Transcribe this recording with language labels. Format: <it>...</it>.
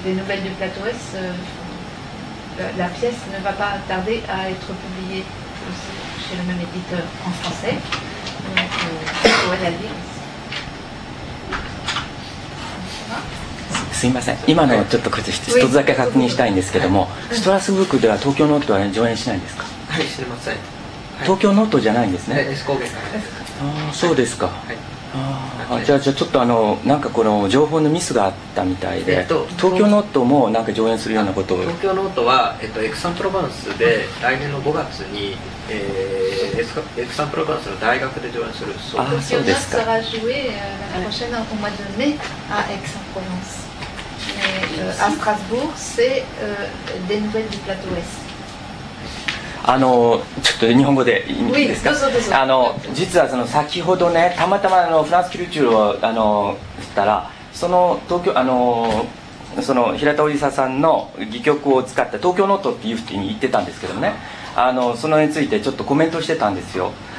<fr>Donc, des nouvelles du plateau S. La pièce ne va pas tarder à être publiée aussi chez le même éditeur en français. Donc, vous pourrez la lire aussi.</fr> <ja>すいません、今のちょっと一つだけ確認したいんですけども、はい、ストラスブークでは東京ノートは上演しないんですか。はい、知りません、はい、東京ノートじゃないんですね、はい、エスコーゲンから。あー、そうですか、はい、あ、じゃあちょっとなんかこの情報のミスがあったみたいで、東京ノートもなんか上演するようなことを。東京ノートは、エクサンプロバンスで来年の5月に、エクサンプロバンスの大学で上演するそうです。東京ノートが上演</ja> <fr>la prochaine au mois de mai à Aix-en-Provence. Mais à Strasbourg, c'est des nouvelles du plateau Est.</fr> <ja>ちょっと日本語でいいですか。どうぞどうぞ。実はその先ほどね、たまたまフランスキルチュールを知ったら、その東京その平田織沙さんの戯曲を使った東京ノートっていうふうに言ってたんですけどね、そのについてちょっとコメントしてたんですよ。</ja>